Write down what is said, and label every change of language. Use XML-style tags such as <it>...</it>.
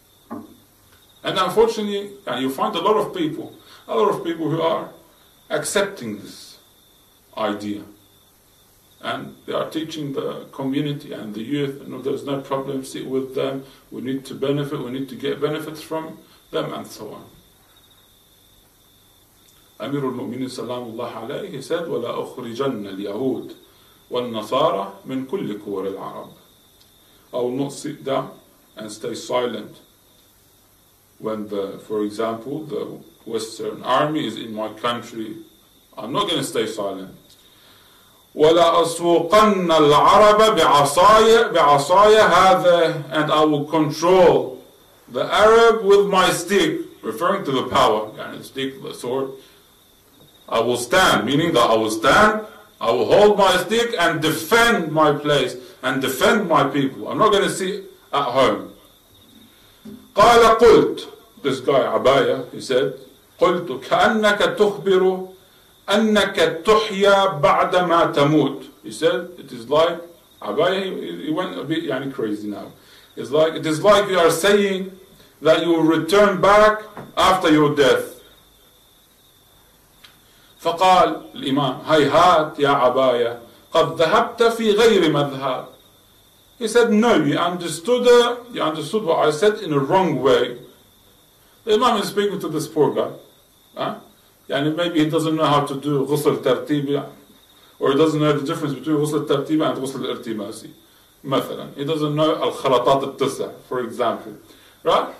<en>And unfortunately, yani, you find a lot of people who are accepting this idea. And they are teaching the community and the youth, and there's no problem, sit with them, we need to get benefits from them, and so on. Amir al-Mu'mineen salamullah alayhi, he said,</en> <ar>وَلَا أُخْرِجَنَّ الْيَهُودِ وَالنَّصَارَ مِنْ كُلِّ كُورِ الْعَرَبِ</ar> <en>I will not sit down and stay silent when the, for example, the Western army is in my country. I'm not going to stay silent.</en> <ar>وَلَا أَسْوَقَنَّ الْعَرَبَ بِعَصَايَ هَذَا.</ar> <en>And I will control the Arab with my stick, referring to the power, yani the stick, the sword. I will stand, meaning that I will stand, I will hold my stick and defend my place and defend my people. I'm not going to sit at home.</en> <ar>قَالَ قُلْتُ.</ar> <en>This guy, Abaya, he said,</en> <ar>قُلْتُ كَأَنَّكَ تُخْبِرُ أَنَّكَ تُحْيَى بَعْدَمَا تَمُوتُ.</ar> <en>He said, it is like, Abaya, he went a bit yani crazy now. It is like you are saying that you will return back after your death.</en> <ar>فقال الإمام هيهات يا عباية قد ذهبت في غير مذهب.</ar> <en>He said, no, you understood what I said in a wrong way. The Imam is speaking to this poor guy. Huh? Maybe he doesn't know how to do غسل ترتيب, or he doesn't know the difference between غسل ترتيب and غسل ارتماسي. مثلا, he doesn't know</en> <ar>الخلطات التسع,</ar> <en>for example. Right?</en>